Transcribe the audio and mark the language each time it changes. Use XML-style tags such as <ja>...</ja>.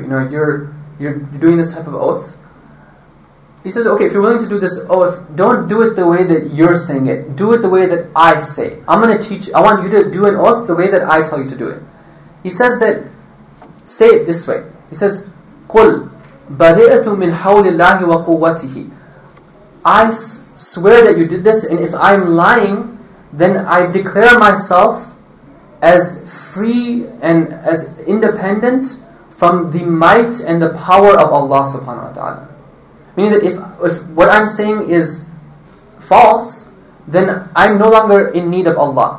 <en>You know, you're doing this type of oath. He says, okay, if you're willing to do this oath, don't do it the way that you're saying it. Do it the way that I say. I'm going to teach, I want you to do an oath the way that I tell you to do it. He says that, say it this way. He says,</en> <ar>قُلْ بَرِئَتُ مِنْ حَوْلِ اللَّهِ وَقُوَّتِهِ.</ar> <en>I swear that you did this, and if I'm lying, then I declare myself as free and as independent from the might and the power of Allah subhanahu wa ta'ala. Meaning that if what I'm saying is false, then I'm no longer in need of Allah.</en>